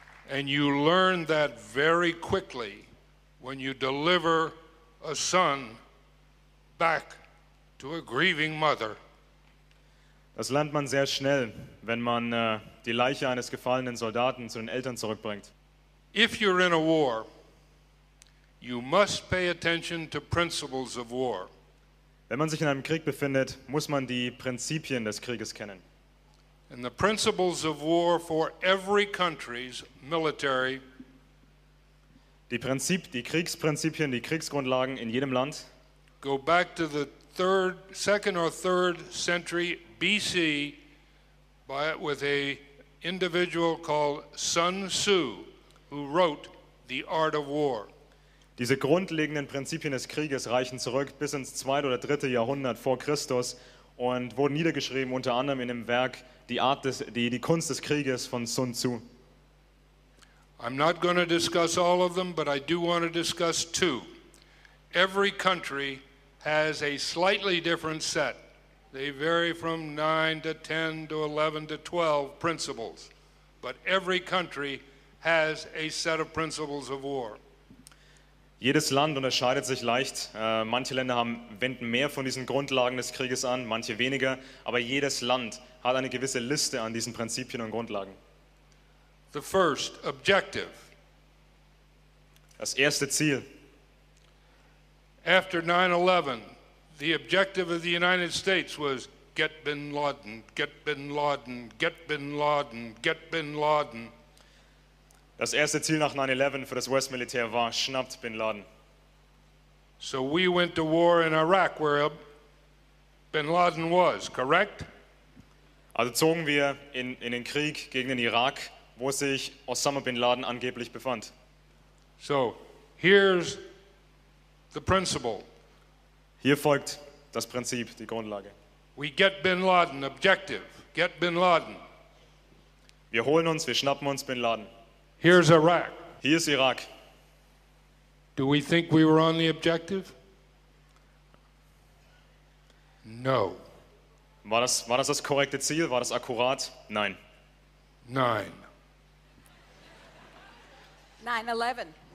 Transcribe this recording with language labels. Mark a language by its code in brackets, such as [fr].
[en] And you learn that very quickly when you deliver a son back to a grieving mother. [de] Das lernt man sehr schnell, wenn man die Leiche eines gefallenen Soldaten zu den Eltern zurückbringt. [en] If you're in a war, you must pay attention to principles of war. [de] Wenn man sich in einem Krieg befindet, muss man die Prinzipien des Krieges kennen. [en] And the principles of war for every country's military. [de] Die Kriegsprinzipien, die Kriegsgrundlagen in jedem Land. [en] Go back to the second or third century BC with an individual called Sun Tzu, who wrote The Art of War. [de] Diese grundlegenden Prinzipien des Krieges reichen zurück bis ins 2. oder 3. Jahrhundert vor Christus und wurden niedergeschrieben unter anderem in dem Werk die Kunst des Krieges von Sun Tzu. [en] I'm not going to discuss all of them, but I do want to discuss two. Every country has a slightly different set. They vary from 9 to 10 to 11 to 12 principles. But every country has a set of principles of war. [de] Jedes Land unterscheidet sich leicht. Manche Länder wenden mehr von diesen Grundlagen des Krieges an, manche weniger. Aber jedes Land hat eine gewisse Liste an diesen Prinzipien und Grundlagen. [en] The first objective. [de] Das erste Ziel. [en] After 9/11, the objective of the United States was get bin Laden, get bin Laden, get bin Laden, get bin Laden. [de] Das erste Ziel nach 9/11 für das US-Militär war, schnappt bin Laden. [en] So we went to war in Iraq where bin Laden was, correct? [de] Also zogen wir in den Krieg gegen den Irak, wo sich Osama bin Laden angeblich befand. [en] So, here's the principle. [de] Hier folgt das Prinzip, die Grundlage. [en] We get bin Laden, objective, get bin Laden. [de] Wir holen uns, wir schnappen uns bin Laden. [en] Here's Iraq. [de] Hier ist Irak. [en] Do we think we were on the objective? No. [de] War das das korrekte Ziel? War das akkurat? Nein. Nein. [en] 9/11.